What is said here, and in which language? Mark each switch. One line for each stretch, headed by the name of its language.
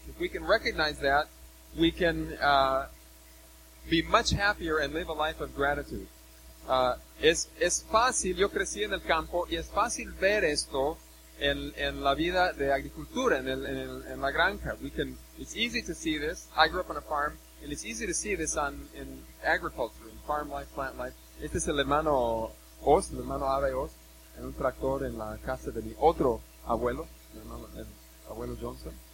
English: If we can recognize that, we can be much happier and live a life of gratitude.
Spanish: Es fácil, yo crecí en el campo, y es fácil ver esto en la vida de agricultura, en la granja.
English: It's easy to see this. I grew up on a farm. And it's easy to see this in agriculture, in farm life, plant life.
Spanish: Este es el hermano Oz, el hermano Ave Oz, en un tractor en la casa de mi otro abuelo, mi hermano, el abuelo Johnson.